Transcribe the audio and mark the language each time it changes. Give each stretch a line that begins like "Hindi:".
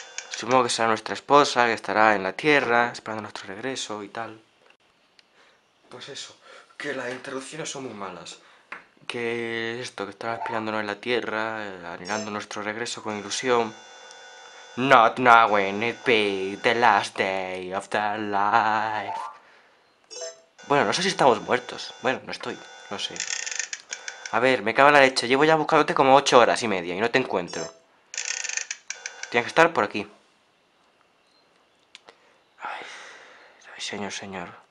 Spanish: Supongo que será nuestra esposa, que estará en la tierra, esperando nuestro regreso y tal. Pues eso, que las introducciones son muy malas. Que esto, que estará esperándonos en la tierra, anhelando nuestro regreso con ilusión.
English: Not knowing it'd be the last day of life.
Spanish: Bueno, no sé si estamos muertos. Bueno, no estoy, no sé. A ver, me cago en la leche. Llevo ya buscándote como 8 horas y media y no te encuentro. Tienes que estar por aquí. Ay, señor, señor.